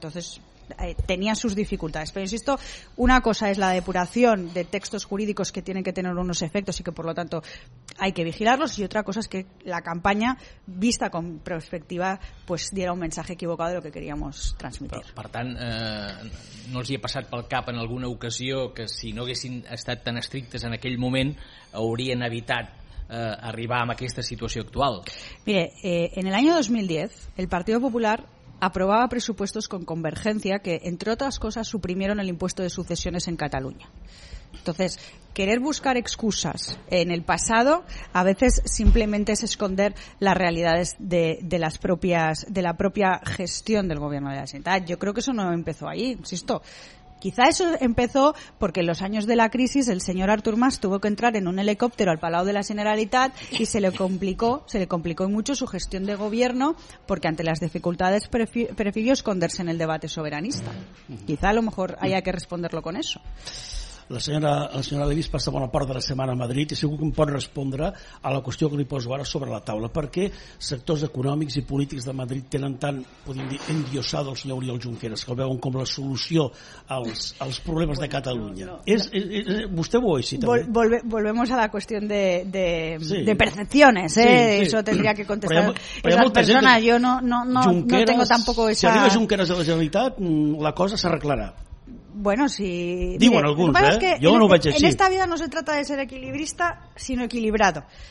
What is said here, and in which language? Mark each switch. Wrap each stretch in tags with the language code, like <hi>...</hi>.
<es>Entonces, tenía sus dificultades. Pero insisto, una cosa es la depuración de textos jurídicos que tienen que tener unos efectos y que, por lo tanto, hay que vigilarlos, y otra cosa es que la campaña, vista con perspectiva, pues diera un mensaje equivocado de lo que queríamos transmitir.</es> <ca>Però, per tant, no els hi ha passat pel cap en alguna ocasió que si no haguessin estat tan estrictes en aquell moment haurien evitat arribar a aquesta situació actual?</ca> <es>Mire, en el año 2010, el Partido Popular aprobaba presupuestos con Convergencia que, entre otras cosas, suprimieron el impuesto de sucesiones en Cataluña. Entonces, querer buscar excusas en el pasado a veces simplemente es esconder las realidades de la propia gestión del gobierno de la Generalitat. Yo creo que eso no empezó ahí, insisto. Quizá eso empezó porque en los años de la crisis el señor Artur Mas tuvo que entrar en un helicóptero al Palau de la Generalitat y se le complicó mucho su gestión de gobierno, porque ante las dificultades prefirió esconderse en el debate soberanista. Quizá a lo mejor haya que responderlo con eso.</es> <ca>La senyora Levis passa bona part de la setmana a Madrid i segur que em pot respondre a la qüestió que li poso ara sobre la taula. Per què sectors econòmics i polítics de Madrid tenen tant, podem dir, endiossat el senyor Oriol Junqueras, que el veuen com la solució als problemes de Catalunya? Vostè ho veu així, també?</ca> <es>Volvemos a la qüestió de percepciones, ¿eh? Sí, sí. Eso tendría que contestar esa persona. Yo no tengo tampoco esa...</es> <ca>Si arriba Junqueras a la Generalitat, la cosa s'arreglarà.</ca> <es>Bueno, si...</es> <ca>Diuen alguns, ¿eh? Jo no ho veig així.</ca> <es>En esta vida no se trata de ser equilibrista, sino equilibrado.</es>